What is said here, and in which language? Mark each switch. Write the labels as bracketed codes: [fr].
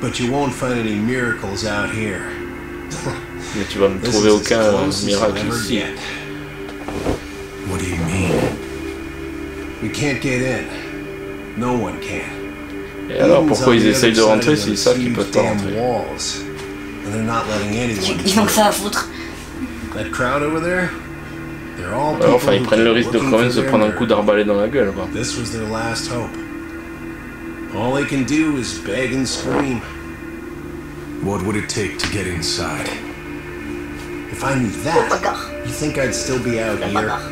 [en] But you won't find any miracles out here. [fr] Mais tu vas me trouver aucun miracle ici. [en] What do you mean? We can't get in. No one can. [fr] Et alors pourquoi ils essayent de rentrer s'ils savent qu'ils peuvent pas rentrer? [en] Walls, and they're not letting anyone. [fr] Ils ont que ça à foutre. [en] That crowd over there, they're all people. [fr] Enfin, ils prennent le risque de quand même se prendre un coup d'arbalète dans la gueule, quoi. [en] This was their last hope. All they can do is beg and scream. What would it take to get inside? If I knew that, you think I'd still be out here?